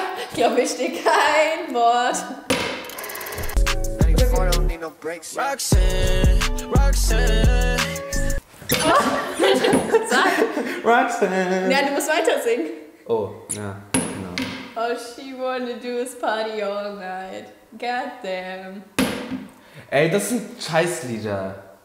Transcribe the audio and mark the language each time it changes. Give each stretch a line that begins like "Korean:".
German: Ich glaube, ich stehe kein Wort.
English: Roxanne.
German: Ja, du musst weiter singen. Oh, ja. No.
English: All she wanna do is party all night. Goddamn.
German: Ey, das sind Scheißlieder.